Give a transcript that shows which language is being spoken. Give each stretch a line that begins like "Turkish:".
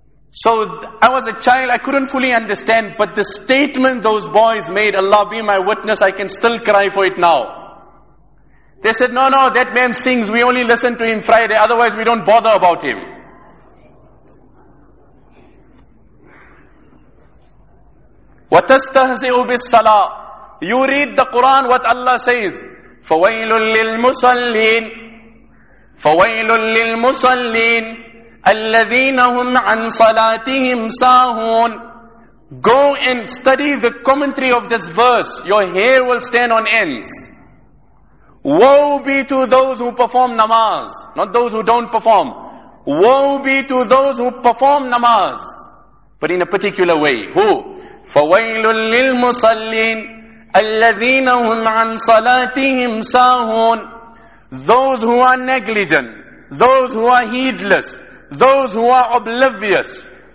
English: So I was a child, I couldn't fully understand. But the statement those boys made, Allah be my witness, I can still cry for it now. They said, no, that man sings, we only listen to him Friday, otherwise we don't bother about him.
Arabic: وَتَسْتَهْزِئُ بِالصَّلَاةِ
English: You read the Quran, what Allah says.
Arabic: فَوَيْلٌ لِلْمُصَلِّينَ فَوَيْلٌ لِلْمُصَلِّينَ الَّذِينَ هُمْ عَنْ صَلَاتِهِمْ سَاهُونَ
English: Go and study the commentary of this verse. Your hair will stand on ends. Woe be to those who perform namaz. Not those who don't perform. Woe be to those who perform namaz. But in a particular way. Who?
Arabic: فَوَيْلٌ لِلْمُصَلِّينَ الَّذِينَ هُمْ عَنْ صَلَاتِهِمْ سَاهُونَ
English: Those who are negligent, those who are heedless, those who are oblivious.